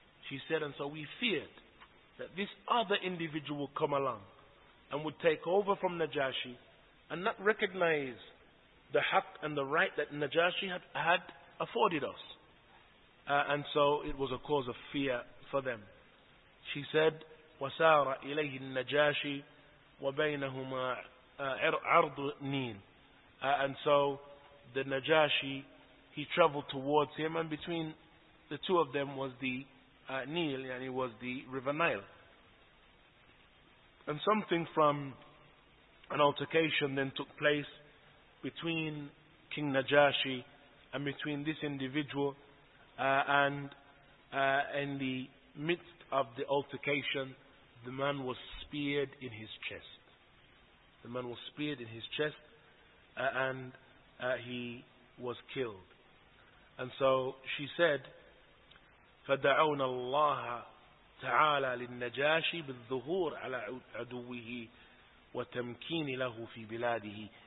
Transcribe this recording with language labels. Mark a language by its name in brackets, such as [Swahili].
[English] She said, and so we feared that this other individual would come along and would take over from Najashi and not recognize the haqq and the right that Najashi had afforded us. And so it was a cause of fear for them. She said, [Arabic] وَسَارَ إِلَيْهِ النَّجَاشِ وَبَيْنَهُمَا عَرْضُ نِين. [English] And so the Najashi, he traveled towards him, and between the two of them was the Nil, and it was the River Nile. And something from an altercation then took place between King Najashi and between this individual, and in the midst of the altercation, the man was speared in his chest. The man was speared in his chest, and he was killed. And so she said, [Arabic] فَدَعَوْنَ اللَّهَ تَعَالَى لِلنَّجَاشِ بِالظُّهُورِ عَلَى عَدُوِّهِ وَتَمْكِينِ لَهُ فِي بِلَادِهِ.